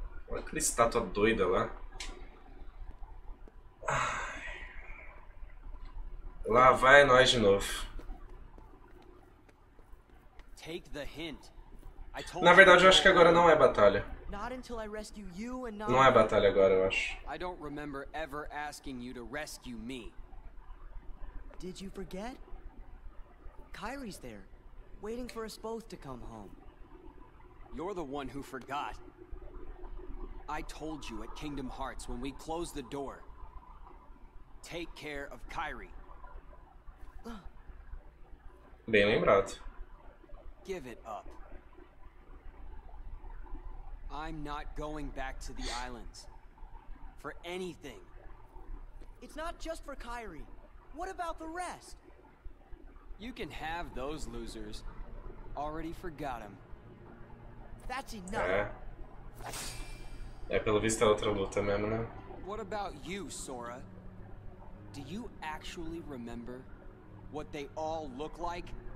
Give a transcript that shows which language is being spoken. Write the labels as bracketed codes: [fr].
[pt] Olha aquela estátua doida lá. Lá vai nós de novo. [en] Take the hint. [pt] Na verdade, eu acho que agora não é batalha. Não é batalha agora, eu acho. [en] I don't remember ever asking you to rescue me. Did you forget? Kairi's there, waiting for us both to come home. You're the one who forgot. I told you at Kingdom Hearts when we closed the door. Take care of Kairi. [pt] Bem lembrado. [en] Give it up. I'm not going back to the islands for anything. It's not just for Kairi. What about the rest? You can have those losers. Already forgot them. That's enough. [pt] É pelo visto é outra luta mesmo, né? [en] What about you, Sora? Do you actually remember what they all look like?